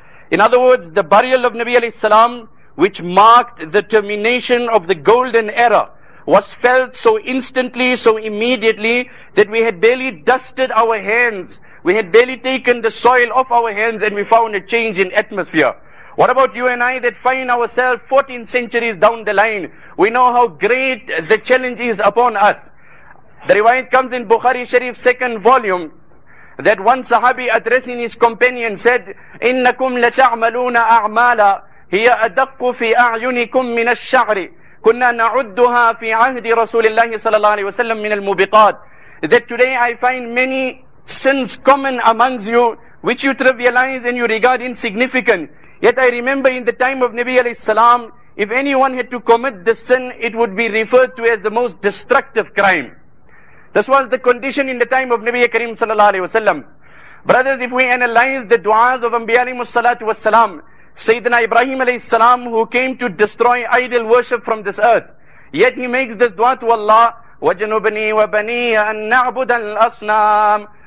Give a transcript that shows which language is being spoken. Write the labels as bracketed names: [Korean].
[English] In other words, the burial of Nabi alayhi salam, which marked the termination of the golden era, was felt so instantly, so immediately, that we had barely dusted our hands, we had barely taken the soil off our hands, and we found a change in atmosphere. What about you and I that find ourselves 14 centuries down the line? We know how great the challenge is upon us. The riwayat comes in Bukhari Sharif, second volume, that one sahabi addressing his companion said, [Arabic] إِنَّكُمْ لَتَعْمَلُونَ أَعْمَالًا هِيَ أَدَقُّ فِي أَعْيُنِكُمْ مِنَ الشَّعْرِ كُنَّا نَعُدُّهَا فِي عَهْدِ رَسُولِ اللَّهِ صَلَى اللَّهِ عَلَيْهِ وَسَلَّمَ مِنَ الْمُبِقَاتِ. [English] That today I find many sins common amongst you, which you trivialize and you regard insignificant. Yet I remember in the time of Nabi alayhi salam, if anyone had to commit this sin, it would be referred to as the most destructive crime. This was the condition in the time of Nabi Karim sallallahu alayhi wa sallam. Brothers, if we analyze the du'as of Anbiya alayhi salatu wa salam, Sayyidina Ibrahim alayhi salam, who came to destroy idol worship from this earth, yet he makes this du'a to Allah, [Arabic] وَجَنُبْنِي وَبَنِيَ أَن نَعْبُدَ الْأَصْنَامِ.